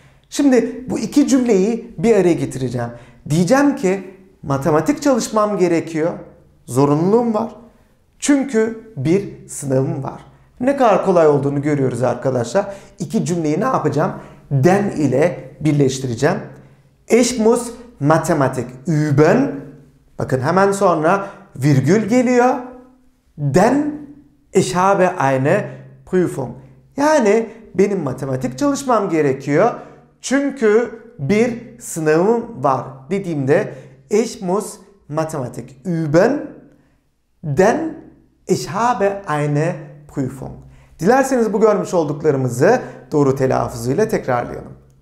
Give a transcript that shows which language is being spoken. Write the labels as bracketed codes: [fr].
[tr] Şimdi bu iki cümleyi bir araya getireceğim. Diyeceğim ki matematik çalışmam gerekiyor. Zorunluluğum var. Çünkü bir sınavım var. Ne kadar kolay olduğunu görüyoruz arkadaşlar. İki cümleyi ne yapacağım? Den ile birleştireceğim. [de] Ich muss Mathematik üben. [tr] Bakın hemen sonra virgül geliyor. [de] Denn ich habe eine Prüfung. [tr] Yani benim matematik çalışmam gerekiyor. Çünkü bir sınavım var dediğimde [de] ich muss Mathematik üben. Denn ich habe eine Prüfung. [tr] Dilerseniz bu görmüş olduklarımızı doğru telaffuzuyla tekrarlayalım.